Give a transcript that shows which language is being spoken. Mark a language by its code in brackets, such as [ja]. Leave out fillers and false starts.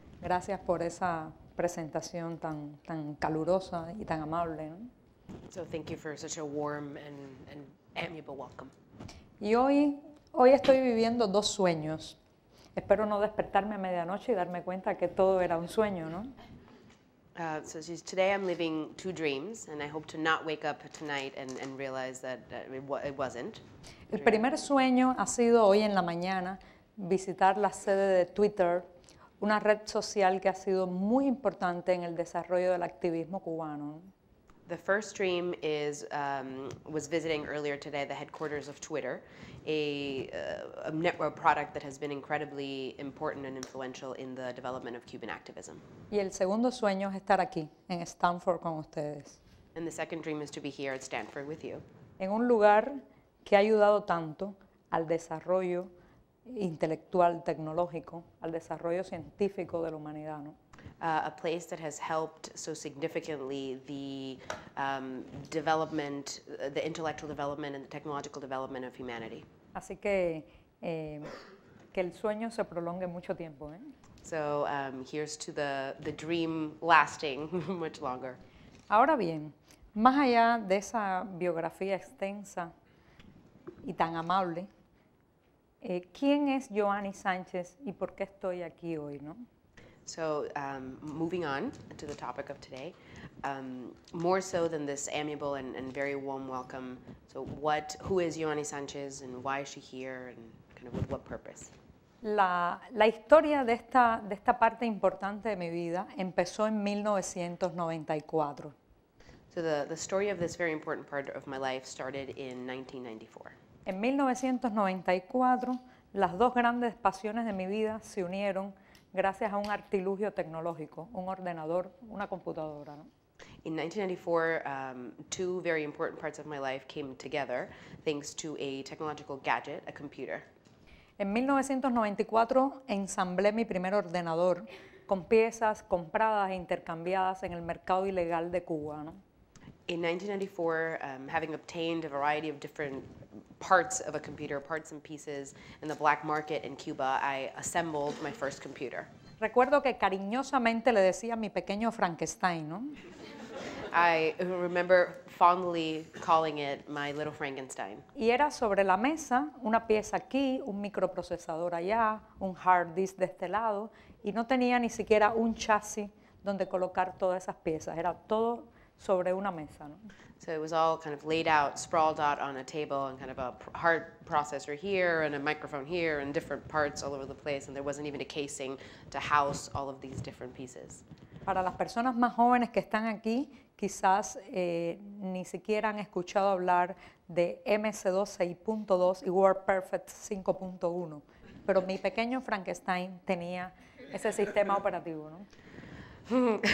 [es] Gracias por esa presentación tan, tan calurosa y tan amable, ¿no? [en] So thank you for such a warm and amiable welcome. [es] Y hoy estoy viviendo dos sueños. Espero no despertarme a medianoche y darme cuenta que todo era un sueño, ¿no? [en] Today I'm living two dreams, and I hope to not wake up tonight and realize that it wasn't. [es] El primer sueño ha sido hoy en la mañana visitar la sede de Twitter, una red social que ha sido muy importante en el desarrollo del activismo cubano. [en] The first dream is was visiting earlier today the headquarters of Twitter, a network product that has been incredibly important and influential in the development of Cuban activism. [es] Y el segundo sueño es estar aquí en Stanford con ustedes. [en] And the second dream is to be here at Stanford with you. [es] En un lugar que ha ayudado tanto al desarrollo intelectual, tecnológico, al desarrollo científico de la humanidad, ¿no? [en] A place that has helped so significantly the development, the intellectual development and the technological development of humanity. [es] Así que el sueño se prolongue mucho tiempo, ¿eh? [en] So here's to the dream lasting much longer. [es] Ahora bien, más allá de esa biografía extensa y tan amable, ¿quién es Yoani Sánchez y por qué estoy aquí hoy, no? [en] So, moving on to the topic of today, more so than this amiable and very warm welcome, so who is Yoani Sánchez and why is she here and kind of with what purpose? [es] La historia de esta parte importante de mi vida empezó en 1994. [en] So the story of this very important part of my life started in 1994. [es] En 1994, las dos grandes pasiones de mi vida se unieron gracias a un artilugio tecnológico, un ordenador, una computadora, ¿no? [en] In 1994, two very important parts of my life came together thanks to a technological gadget, a computer. [es] En 1994, ensamblé mi primer ordenador con piezas compradas e intercambiadas en el mercado ilegal de Cuba, ¿no? [en] In 1994, having obtained a variety of different parts of a computer, parts and pieces, in the black market in Cuba, I assembled my first computer. [es] Recuerdo que cariñosamente le decía mi pequeño Frankenstein, ¿no? [en] I remember fondly calling it my little Frankenstein. [es] Y era sobre la mesa, una pieza aquí, un microprocesador allá, un hard disk de este lado, y no tenía ni siquiera un chasis donde colocar todas esas piezas. Era todo sobre una mesa, ¿no? [en] So it was all kind of laid out, sprawled out on a table, and kind of a hard processor here, and a microphone here, and different parts all over the place, and there wasn't even a casing to house all of these different pieces. [es] Para las personas más jóvenes que están aquí, quizás ni siquiera han escuchado hablar de MS-DOS 6.2 y WordPerfect 5.1, pero mi pequeño Frankenstein tenía ese sistema operativo, ¿no?